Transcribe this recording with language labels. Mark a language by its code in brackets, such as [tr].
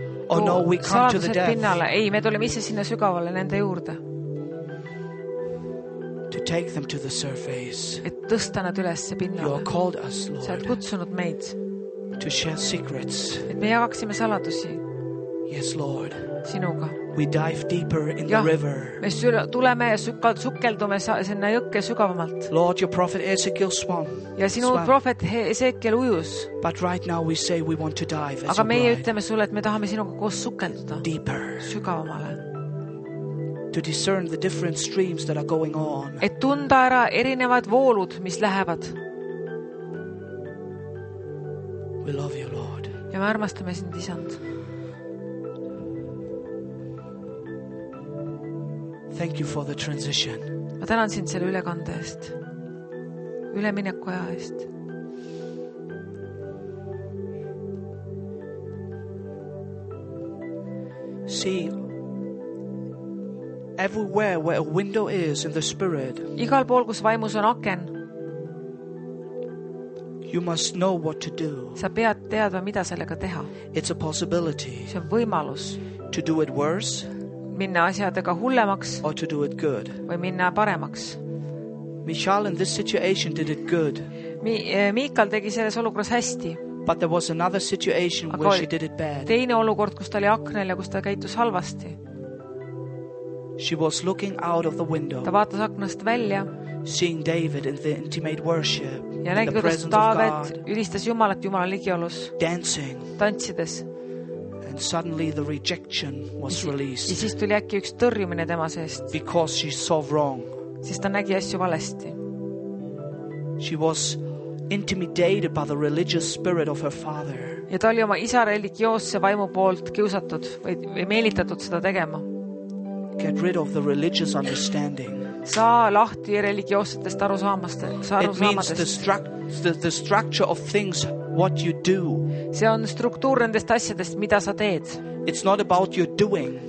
[en] Oh no, we come to the depth. [et] Pinnale. Ei, me tuleme ise sinna sügavale nende juurde. [en] To take them to the surface. [et] Et tõsta nad üles see pinnale. [en] You have called us, Lord. [et] Sa oled kutsunud meid. [en] To share secrets. [et] Et me jagaksime saladusi. [en] Yes, Lord. [et] Sinuga. [en] We dive deeper in [et] ja, [en] the river. [et] Me tuleme ja sukeldume sinna jõkke sügavamalt. [en] Lord, your prophet Ezekiel swam. [et] Ja sinu prohvet Ezekiel ujus. [en] But right now we say we want to dive. [et] Aga meie ütleme sulle, et me tahame sinuga koos sukelduda. [en] Deeper. [et] Sügavamale. [en] To discern the different streams that are going on. [et] Et tunda ära erinevad voolud, mis lähevad. [en] We love you, Lord. [et] Ja me armastame sind, isand. [en] Thank you for the transition. [et] Ma tänan sind selle ülekande eest. Ülemineku aja eest. [en] See everywhere where a window is in the spirit. [et] Igal pool, kus vaimus on aken. [en] You must know what to do. [et] Sa pead teadma, mida sellega teha. [en] It's a possibility. [et] See on võimalus. [en] To do it worse. [et] Minna asjadega hullemaks [en] or to do it good. [et] Või minna paremaks. [en] Michal in this situation did it good. [et] Michal tegi selles olukorras hästi. [en] But there was another situation [et] aga [en] where she did it bad. [et] Teine olukord, kus ta oli aknel ja kus ta käitus halvasti. [en] She was looking out of the window. [et] Ta vaatas aknast välja. [en] Seeing David in the intimate worship. [et] Ja nägi, kuidas David ülistas Jumalat Jumala ligiolus. [en] Dancing. [et] Tantsides. [en] And suddenly the rejection was released. [et] Ja siis tuli äkki üks tõrjumine tema seest. [en] Because she saw wrong. [et] Siis ta nägi asju valesti. [en] She was intimidated by the religious spirit of her father. [et] Ja ta oli oma isa religioosse vaimu poolt kiusatud või meelitatud seda tegema. [en] Get rid of the religious understanding. [et] Saa lahti religioossetest arusaamadest. [en] It means the structure of things what you do. [et] See on struktuur nendest asjadest, mida sa teed. [en] It's not about your doing.